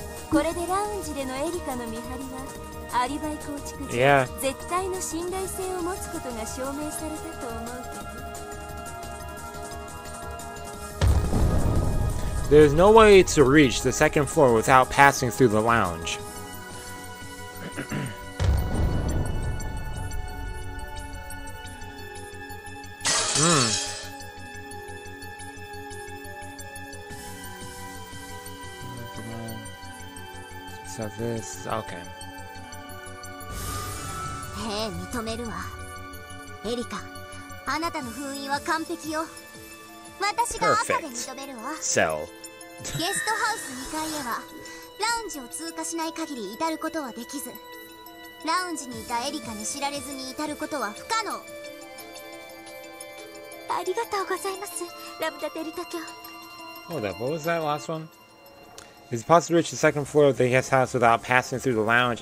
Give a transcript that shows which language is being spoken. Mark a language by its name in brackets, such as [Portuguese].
[Japanese] これでラウンジでのエリカの見張りはアリバイ構築時、絶対の信頼性を持つことが証明されたと思う。 [English] There's no way to reach the second floor without passing through the lounge. So this is okay. Hey, [Japanese] 認めるわ。エリカ、あなたの封印は完璧よ。私が朝で認めるわ。 [English] Sell. [Japanese] ゲストハウス2階へはラウンジを通過しない限り至ることはできず、ラウンジにいたエリカに知られずに至ることは不可能。ありがとうございますラムダ・デルタ卿。 [English] Hold up, what was that last one? Is it possible to reach the second floor of the guest house without passing through the lounge?